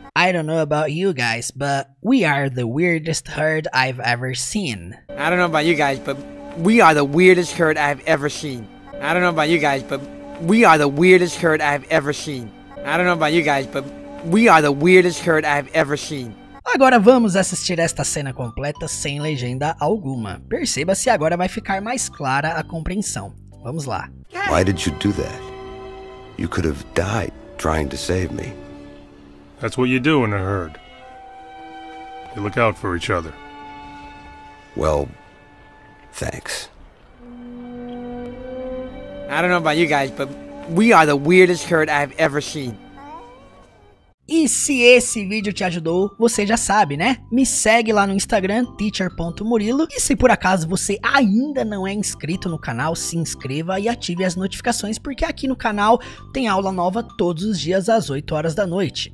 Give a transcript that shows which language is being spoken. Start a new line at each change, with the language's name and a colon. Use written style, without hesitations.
English: I don't know about you guys, but we are the weirdest herd I've ever seen. I don't know about you guys, but we are the weirdest herd I've ever seen. I don't know about you guys, but we are the weirdest herd I've ever seen. I don't know about you guys, but we are the weirdest herd I've ever seen.
Portuguese: Agora vamos assistir esta cena completa sem legenda alguma. Perceba se agora vai ficar mais clara a compreensão. Vamos lá.
English: Why did you do that? You could have died trying to save me. That's what you do in a herd. You look out for each other. Well, thanks. I don't know about you guys, but we are the weirdest herd I've ever seen.
Portuguese: E se esse vídeo te ajudou, você já sabe, né? Me segue lá no Instagram, teacher.murilo. E se por acaso você ainda não é inscrito no canal, se inscreva e ative as notificações, porque aqui no canal tem aula nova todos os dias às 8 horas da noite.